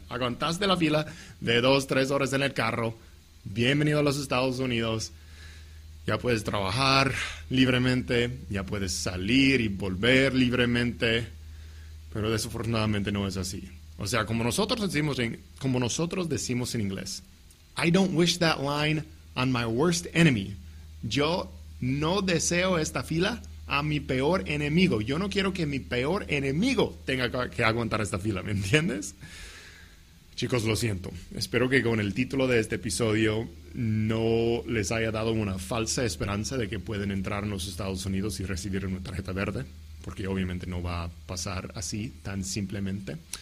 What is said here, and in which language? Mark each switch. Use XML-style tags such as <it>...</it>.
<es>Aguantaste la fila de 2, 3 horas en el carro. Bienvenido a los Estados Unidos. Ya puedes trabajar libremente, ya puedes salir y volver libremente, pero desafortunadamente no es así. O sea, como nosotros decimos en inglés,</es> <en>I don't wish that line on my worst enemy.</en> <es>Yo no deseo esta fila a mi peor enemigo. Yo no quiero que mi peor enemigo tenga que aguantar esta fila, ¿me entiendes? Chicos, lo siento. Espero que con el título de este episodio no les haya dado una falsa esperanza de que pueden entrar en los Estados Unidos y recibir una tarjeta verde, porque obviamente no va a pasar así tan simplemente.</es>